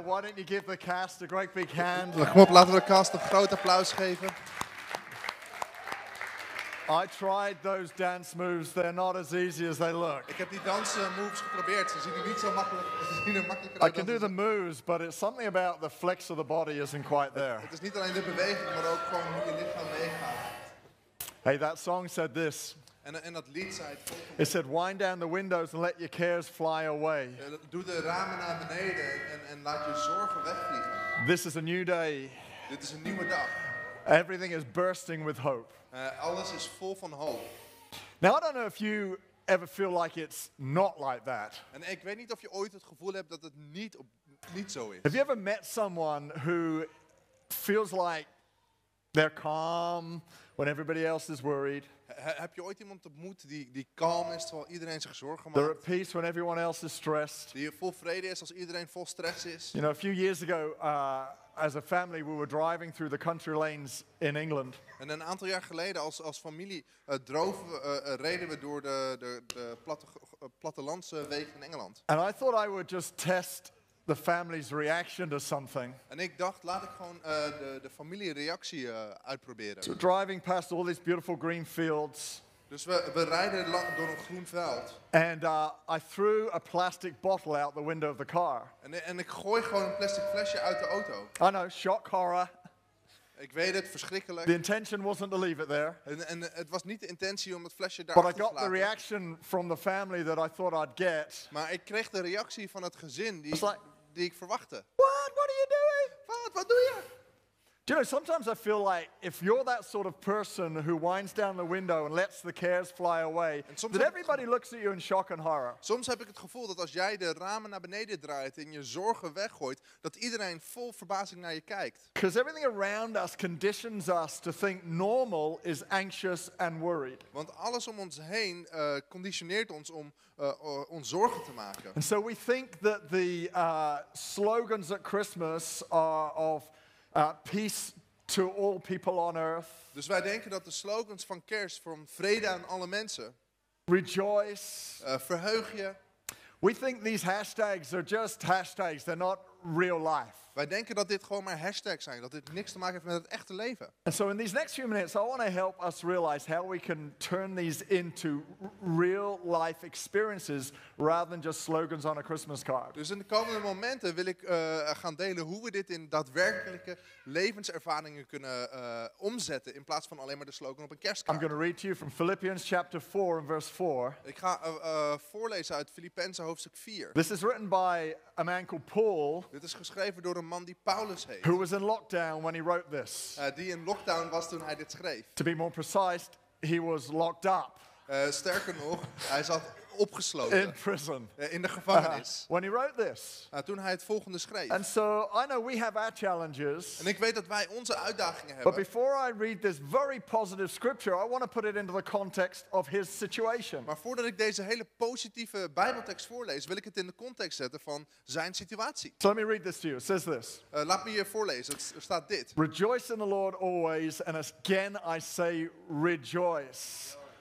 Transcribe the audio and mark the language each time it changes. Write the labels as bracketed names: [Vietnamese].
[English] Why don't you give the cast a great big hand? [Dutch] Kom op, laten we de cast een groot applaus geven. [English] I tried those dance moves. They're not as easy as they look. [Dutch] Ik heb die dansen moves geprobeerd. Ze zien er niet zo makkelijk uit. [English] I can do the moves, but it's something about the flex of the body isn't quite there. [Dutch] Het is niet alleen de beweging, maar ook gewoon hoe je lichaam meegaat. [English] Hey, that song said this. [Dutch] En dat lied zei het volgende. [English] It said, wind down the windows and let your cares fly away. [Dutch] Doe de ramen naar beneden en laat je zorgen wegvliegen. [English] This is a new day. [Dutch] Dit is een nieuwe dag. [English] Everything is bursting with hope. [Dutch] Alles is vol van hoop. [English] Now, I don't know if you ever feel like it's not like that. [Dutch] En ik weet niet of je ooit het gevoel hebt dat het niet zo is. [English] Have you ever met someone who feels like they're calm when everybody else is worried? [Dutch] Heb je ooit iemand ontmoet die kalm is terwijl iedereen zich zorgen maakt? [English] They're at peace when everyone else is stressed. [Dutch] Die vol vrede is als iedereen vol stress is. [English] You know, a few years ago, as a family, we were driving through the country lanes in England. [Dutch] En een aantal jaar geleden, als familie, reden we door de plattelandse wegen in Engeland. [English] And I thought I would just test the family's reaction to something. [Dutch] En ik dacht, laat ik gewoon de familiereactie uitproberen. [English] So driving past all these beautiful green fields. [Dutch] Dus we rijden lang door een groen veld. [English] And I threw a plastic bottle out the window of the car. [Dutch] En ik gooi gewoon een plastic flesje uit de auto. [English] I know, shock horror. [Dutch] Ik weet het, verschrikkelijk. [English] The intention wasn't to leave it there. [Dutch] En het was niet de intentie om het flesje daar te laten. [English] But I got the reaction from the family that I thought I'd get. [Dutch] Maar ik kreeg de reactie van het gezin die ik verwachtte. [English] What are you doing? [Dutch] Wat doe je? [English] Do you know, sometimes I feel like if you're that sort of person who winds down the window and lets the cares fly away, that everybody looks at you in shock and horror. [Dutch] Soms heb ik het gevoel dat als jij de ramen naar beneden draait en je zorgen weggooit, dat iedereen vol verbazing naar je kijkt. [English] Because everything around us conditions us to think normal is anxious and worried. [Dutch] Want alles om ons heen conditioneert ons om ons zorgen te maken. [English] And so we think that the slogans at Christmas are of peace to all people on earth. [Dutch] Dus wij denken dat de slogans van Kerst van vrede aan alle mensen. [English] Rejoice. [Dutch] Verheug je. [English] We think these hashtags are just hashtags. They're not real life. [Dutch] Wij denken dat dit gewoon maar hashtags zijn. Dat dit niks te maken heeft met het echte leven. [English] And so in these next few minutes, I want to help us realize how we can turn these into real life experiences rather than just slogans on a Christmas card. [Dutch] Dus in de komende momenten wil ik gaan delen hoe we dit in daadwerkelijke levenservaringen kunnen omzetten in plaats van alleen maar de slogan op een kerstkaart. [English] I'm going to read to you from Philippians chapter 4 and verse 4. [Dutch] Ik ga voorlezen uit Filippenzen hoofdstuk 4. [English] This is written by a man called Paul. [Dutch] Dit is geschreven door een man die Paulus heet. [English] Who was in lockdown when he wrote this. [Dutch] Die in lockdown was toen hij dit schreef. [English] To be more precise, he was locked up. [Dutch] Sterker nog, hij zat opgesloten. [English] In prison. [Dutch] In de gevangenis. [English] When he wrote this. [Dutch] Toen hij het volgende schreef. [English] And so I know we have our challenges. [Dutch] En ik weet dat wij onze uitdagingen hebben. [English] But before I read this very positive scripture, I want to put it into the context of his situation. [Dutch] Maar voordat ik deze hele positieve Bijbeltekst voorlees, wil ik het in de context zetten van zijn situatie. [English] So let me read this to you. It says this. [Dutch] Laat me je voorlezen. Het staat dit. [English] Rejoice in the Lord always, and again I say rejoice.